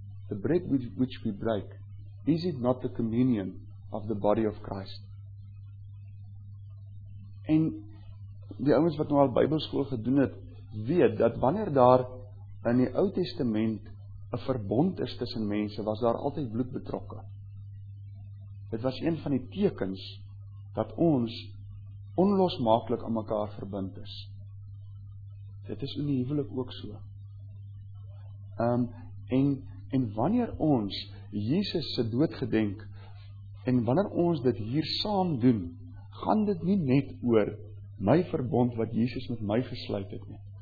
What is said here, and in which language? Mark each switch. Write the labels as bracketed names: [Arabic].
[English] The bread which we break, is it not the communion of the body of Christ? [Afrikaans] En die ouens wat nou al Bybelskool gedoen het, weet dat wanneer daar in die Ou Testament 'n verbond is tussen mense, was daar altyd bloed betrokke. Dit was een van die tekens dat ons onlosmaaklik aan mekaar verbind is. Dit is in die huwelik ook so. En wanneer ons Jesus se dood gedenk, en wanneer ons dit hier saam doen, gaan dit nie net oor my verbond wat Jesus met my gesluit het nie.